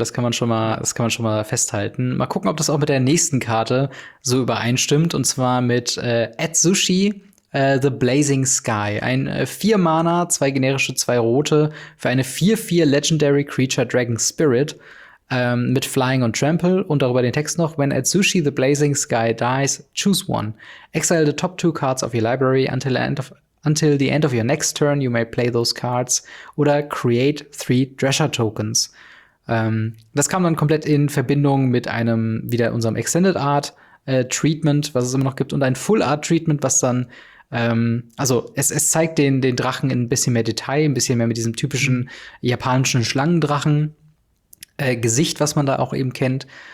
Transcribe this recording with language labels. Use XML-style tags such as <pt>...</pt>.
<de>Das kann man schon mal festhalten. Mal gucken, ob das auch mit der nächsten Karte so übereinstimmt. Und zwar mit Atsushi. The Blazing Sky. Ein 4 Mana, 2 generische, 2 rote für eine 4-4 Legendary Creature Dragon Spirit mit Flying und Trample. Und darüber den Text noch.</de> <en>When Atsushi the Blazing Sky dies, choose one. Exile the top 2 cards of your library until the end of your next turn. You may play those cards. Oder create 3 Treasure Tokens.</en> <de>Das kam dann komplett in Verbindung mit einem, wieder unserem Extended Art Treatment, was es immer noch gibt. Und ein Full Art Treatment, was dann also es zeigt den Drachen in ein bisschen mehr Detail, ein bisschen mehr mit diesem typischen japanischen Schlangendrachen Gesicht, was man da auch eben kennt.</de>